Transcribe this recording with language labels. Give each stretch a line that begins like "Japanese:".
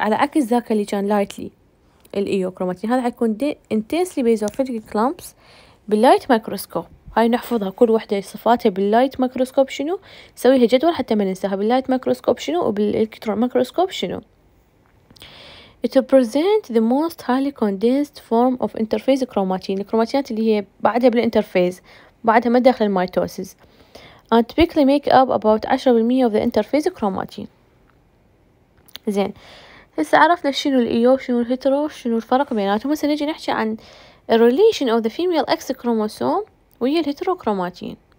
Arabic: على عكس ذاك اللي كان lightly الإيو كروماتين هذا حيكون
English: intensely basophilic clumps
Arabic: باللايت مايكروسكوب. هاي نحفظها كل وحدة صفاتها باللايت مايكروسكوب شنو سويها جدول حتى ما ننساها باللايت مايكروسكوب شنو وبالإلكترون مايكروسكوب شنو
English: It represents the most highly condensed form of interphase chromatin.
Arabic: الكروماتينات اللي هي بعدها بالانترفيز بعدها ما داخل الميتوسيس.
English: And typically make up about 10% of the interphase chromatin.
Arabic: زين هسه عرفنا شنو الايو شنو الهيترو شنو الفرق بيناتهم. هسه نجي نحكي عن
English: الريليشن of the female X chromosome
Arabic: ويا الهيترو كروماتين.